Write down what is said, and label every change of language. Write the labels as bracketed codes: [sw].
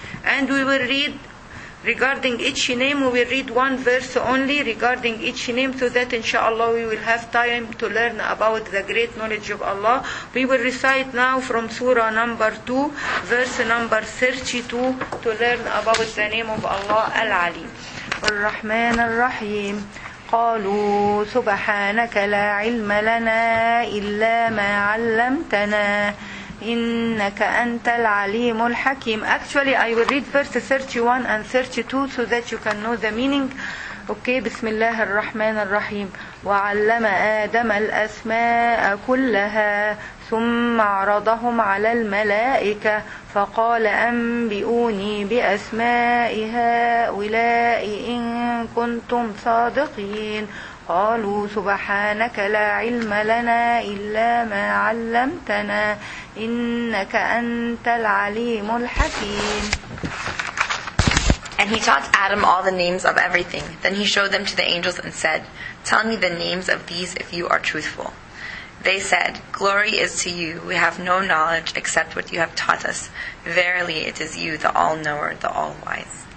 [en] And we will read, regarding each name, we will read one verse only regarding each name, so that inshallah we will have time to learn about the great knowledge of Allah. We will recite now from surah number 2, verse number 32, to learn about the name of Allah, Al-Alim. Ar-Rahman Ar-Rahim. [ar] قالوا سبحانك لا علم لنا إلا ما علمتنا إنك أنت العليم الحكيم. [en] Actually, I will read verse 31 and 32 so that you can know the meaning. [ar] Okay, بسم الله الرحمن الرحيم. وعلم آدم الأسماء كلها ثم عرضهم على الملائكة فقال أنبئوني بأسماء هؤلاء إن كنتم صادقين. قالوا سبحانك لا علم لنا إلا ما علمتنا إنك أنت العليم الحكيم. [en] And he taught Adam all the names of everything. Then he showed them to the angels and said, tell me the names of these if you are truthful. They said, glory is to you. We have no knowledge except what you have taught us. Verily, it is you, the all-knower, the all-wise.